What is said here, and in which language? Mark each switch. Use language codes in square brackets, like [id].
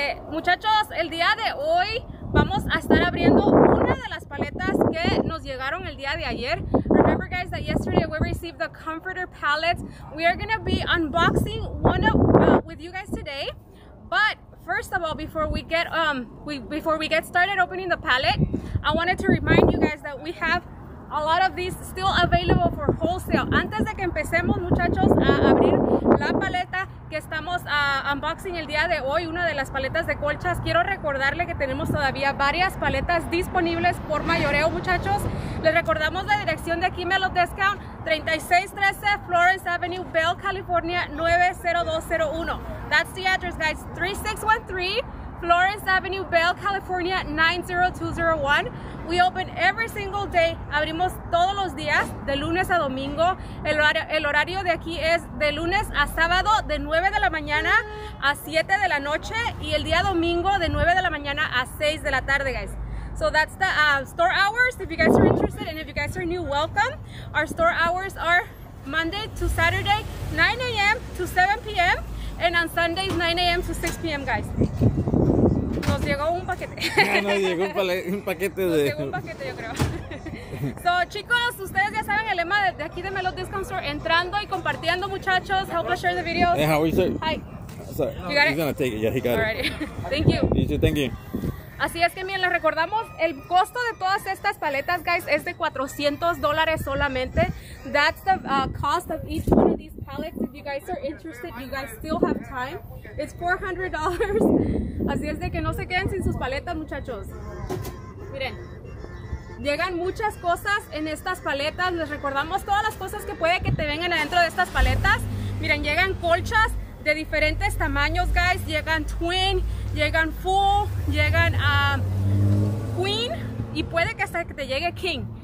[es] Muchachos, el día de hoy vamos a estar abriendo una de las paletas que nos llegaron el día de ayer. [en] Remember, guys, that yesterday we received the comforter palettes. We are going to be unboxing one of with you guys today. But first of all, before we get started opening the palette, I wanted to remind you guys that we have a lot of these still available for wholesale. [es] Antes de que empecemos, muchachos, a abrir la paleta que estamos unboxing el día de hoy, una de las paletas de colchas, quiero recordarle que tenemos todavía varias paletas disponibles por mayoreo, muchachos. Les recordamos la dirección de aquí, Melo Discount, 3613 Florence Avenue, Bell, California, 90201. [en] That's the address, guys, 3613 Florence Avenue, Bell, California, 90201. We open every single day. [es] Abrimos todos los días, de lunes a domingo. El horario de aquí es de lunes a sábado, de 9 de la mañana a 7 de la noche. Y el día domingo, de 9 de la mañana a 6 de la tarde, guys. [en] So that's the store hours. If you guys are interested and if you guys are new, welcome. Our store hours are Monday to Saturday, 9 a.m. to 7 p.m. And on Sundays, 9 a.m. to 6 p.m., guys. [es] Nos llegó un paquete. No, llegó un paquete. Nos llegó un paquete, yo creo. [en] So, [es] chicos, ustedes ya saben el lema de aquí de Melo Discount Store. Entrando y compartiendo, muchachos. [en] Help us share the video. Hey, how are you, sir? Hi. Sorry. You got it? He's gonna take it. Yeah, he got Alrighty. It. Thank you. You too, thank you. [es] Así es que, miren, les recordamos, el costo de todas estas paletas, guys, es de $400 solamente. [en] That's the cost of each one of these palettes. If you guys are interested, you guys still have time. It's $400. [es] Así es de que no se queden sin sus paletas, muchachos. Miren, llegan muchas cosas en estas paletas. Les recordamos todas las cosas que puede que te vengan adentro de estas paletas. Miren, llegan colchas de diferentes tamaños, guys. Llegan twin, llegan full, llegan queen y puede que hasta que te llegue king.